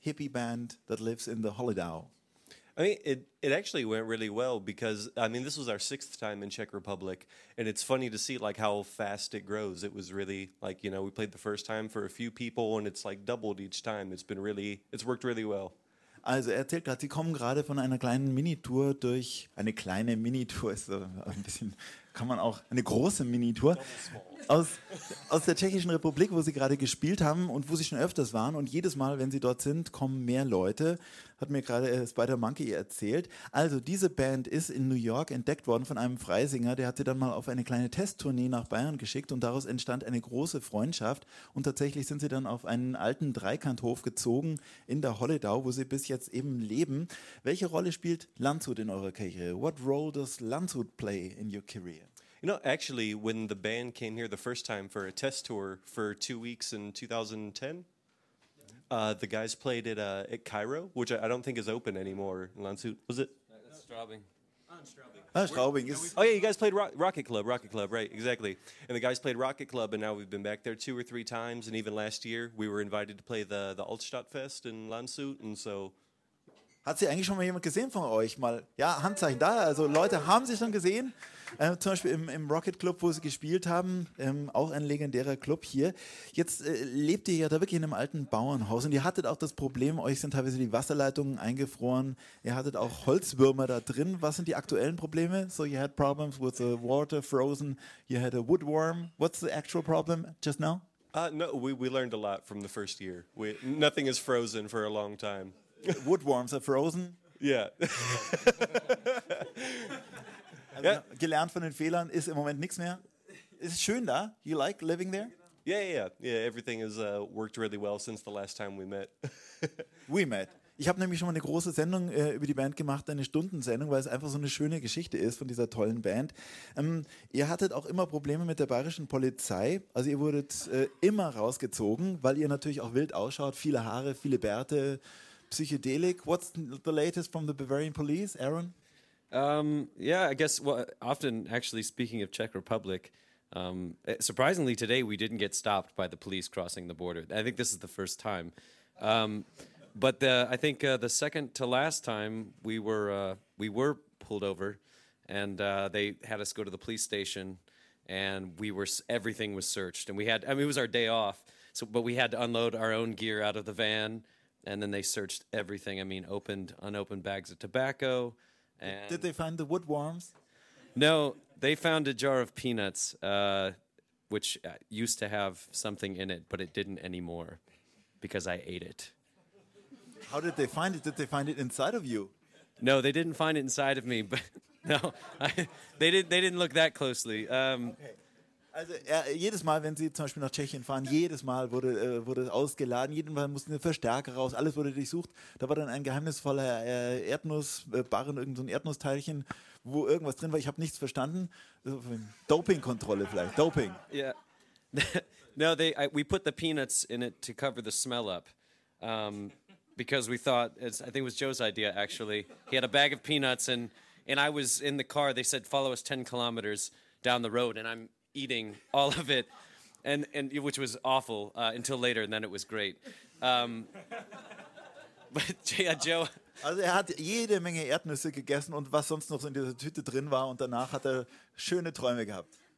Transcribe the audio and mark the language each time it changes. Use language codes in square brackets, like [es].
[en] hippie band that lives in the Holidau? I mean, it actually went really well because, I mean, this was our sixth time in Czech Republic, and it's funny to see, like, how fast it grows. It was really, like, you know, we played the first time for a few people, and it's, like, doubled each time. It's been really, it's worked really well. [de] Also erzählt gerade, Sie kommen gerade von einer kleinen Minitour durch, eine kleine Minitour ist ein bisschen, kann man auch, eine große Minitour aus der Tschechischen Republik, wo Sie gerade gespielt haben und wo Sie schon öfters waren. Und jedes Mal, wenn Sie dort sind, kommen mehr Leute, hat mir gerade Spider Monkey erzählt. Also diese Band ist in New York entdeckt worden von einem Freisinger, der hat sie dann mal auf eine kleine Testtournee nach Bayern geschickt und daraus entstand eine große Freundschaft. Und tatsächlich sind sie dann auf einen alten Dreikanthof gezogen in der Holledau, wo sie bis jetzt eben leben. Welche Rolle spielt Landshut in eurer Karriere? [en] What role does Landshut play in your career? You know, actually, when the band came here the first time for a test tour for 2 weeks in 2010, the guys played at Cairo, which I don't think is open anymore. Landshut, was it? That's Straubing. Straubing. Oh, yeah, you guys played Rocket Club, right, exactly. And the guys played Rocket Club, and now we've been back there two or three times, and even last year we were invited to play the Altstadtfest in Landshut, and so... [de] Hat sie eigentlich schon mal jemand gesehen von euch? Mal, ja, Handzeichen da. Also Leute haben sie schon gesehen. Zum Beispiel im Rocket Club, wo sie gespielt haben. Auch ein legendärer Club hier. Jetzt lebt ihr ja da wirklich in einem alten Bauernhaus. Und ihr hattet auch das Problem, euch sind teilweise die Wasserleitungen eingefroren. Ihr hattet auch Holzwürmer da drin. Was sind die aktuellen Probleme? [en] So you had problems with the water frozen. You had a woodworm. What's the actual problem just now? No, we learned a lot from the first year. Nothing is frozen for a long time. Woodworms are frozen. Yeah. Also, yeah. [de] Gelernt von den Fehlern ist im Moment nichts mehr. Ist es schön da? [en] You like living there? Yeah. Everything has worked really well since the last time we met. We met. [de] Ich habe nämlich schon mal eine große Sendung über die Band gemacht, eine Stundensendung, weil es einfach so eine schöne Geschichte ist von dieser tollen Band. Ihr hattet auch immer Probleme mit der bayerischen Polizei. Also ihr wurdet immer rausgezogen, weil ihr natürlich auch wild ausschaut. Viele Haare, viele Bärte. Psychedelic. [en] What's the latest from the Bavarian police, Aaron? Often actually speaking of Czech Republic, surprisingly today we didn't get stopped by the police crossing the border. I think this is the first time. But I think the second to last time we were pulled over, and they had us go to the police station, and everything was searched, and we had, I mean, it was our day off, so but we had to unload our own gear out of the van. And then they searched everything. I mean, opened, unopened bags of tobacco. And did they find the woodworms? No, they found a jar of peanuts, which used to have something in it, but it didn't anymore because I ate it. How did they find it? Did they find it inside of you? No, they didn't find it inside of me, but no, they didn't look that closely. [de] Also jedes Mal, wenn Sie zum Beispiel nach Tschechien fahren, jedes Mal wurde ausgeladen, jeden Mal mussten Verstärker raus, alles wurde durchsucht. Da war dann ein geheimnisvoller Erdnussbarren, irgend so ein Erdnussteilchen, wo irgendwas drin war. Ich habe nichts verstanden. Dopingkontrolle vielleicht. Doping. [en] Yeah. No, we put the peanuts in it to cover the smell up, because we thought I think it was Joe's idea actually. He had a bag of peanuts and I was in the car. They said follow us 10 kilometers down the road and I'm eating all of it, and which was awful until later, and then it was great. But yeah, Joe. [de] Also hat jede Menge Erdnüsse gegessen und was sonst noch in dieser Tüte drin war, und danach hat schöne Träume gehabt.